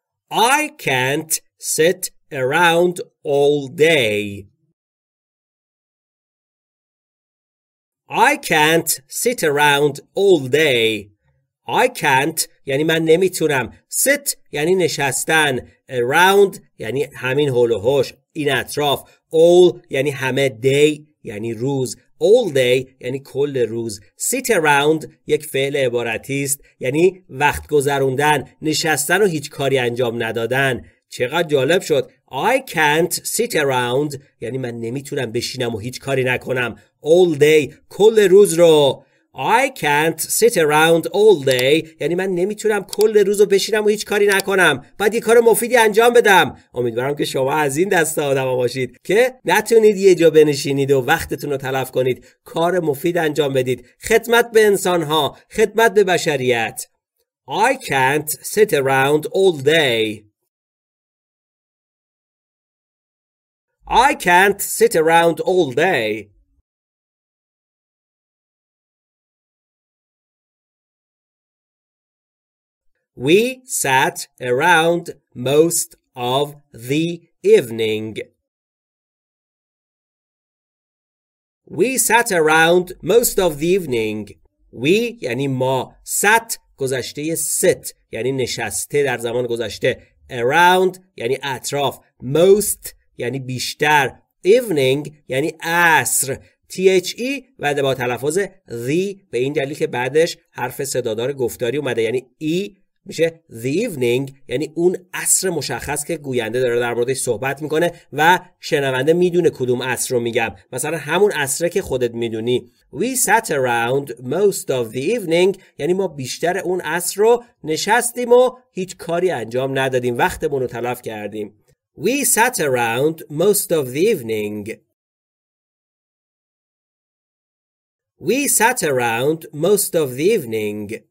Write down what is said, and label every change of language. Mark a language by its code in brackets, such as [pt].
[en] I can't sit around all day. I can't sit around all day. I can't [fa] یعنی من نمیتونم. Sit یعنی نشستن. Around یعنی همین هول و هوش، این اطراف. All یعنی همه. Day یعنی روز. All day یعنی کل روز. Sit around یک فعل عبارتی است، یعنی وقت گذروندن، نشستن و هیچ کاری انجام ندادن. چقدر جالب شد. [en] I can't sit around [fa] یعنی من نمیتونم بشینم و هیچ کاری نکنم. All day کل روز رو. [en] I can't sit around all day [fa] یعنی من نمیتونم کل روز رو بشینم و هیچ کاری نکنم، باید یک کار مفیدی انجام بدم. امیدوارم که شما از این دست آدم ها باشید که نتونید یه جا بنشینید و وقتتون رو تلف کنید، کار مفید انجام بدید، خدمت به انسانها، خدمت به بشریت. [en] I can't sit around all day. I can't sit around all day. We sat around most of the evening. We sat around most of the evening. [fa] We یعنی ما. Sat گذشته sit یعنی نشسته در زمان گذشته. Around یعنی اطراف. Most یعنی بیشتر. Evening یعنی عصر. THE و با تلفظ the، به این دلیل که بعدش حرف صدادار گفتاری اومده، یعنی E میشه [en] the evening، [fa] یعنی اون عصر مشخص که گوینده داره در موردش صحبت میکنه و شنونده میدونه کدوم عصر رو میگم، مثلا همون عصره که خودت میدونی. [en] We sat around most of the evening [fa] یعنی ما بیشتر اون عصر رو نشستیم و هیچ کاری انجام ندادیم، وقتمون رو تلف کردیم. [en] We sat around most of the evening. We sat around most of the evening.